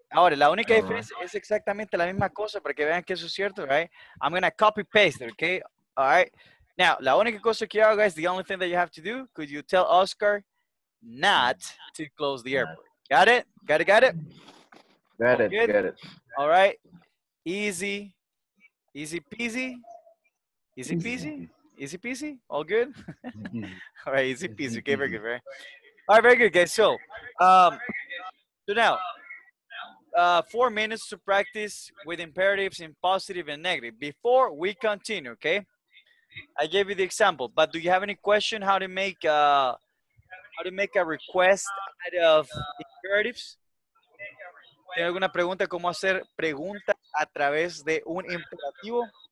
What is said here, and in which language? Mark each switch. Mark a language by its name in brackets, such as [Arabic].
[Spanish] Ahora, la única diferencia es exactamente la misma cosa para que vean que eso es cierto, right? [English] I'm going to copy-paste it, okay? All right? Now, [Spanish] la única cosa que hago, [English] guys, the only thing that you have to do, could you tell Oscar not to close the airport. Got it? Got it. All right. Easy peasy. All good? All right, easy peasy. Okay, very good, right? All right, very good, guys. So, now, 4 minutes to practice with imperatives in positive and negative before we continue, okay? I gave you the example, but do you have any question how to make a request out of imperatives? [Spanish] ¿Tiene alguna pregunta cómo hacer pregunta a través de un imperativo?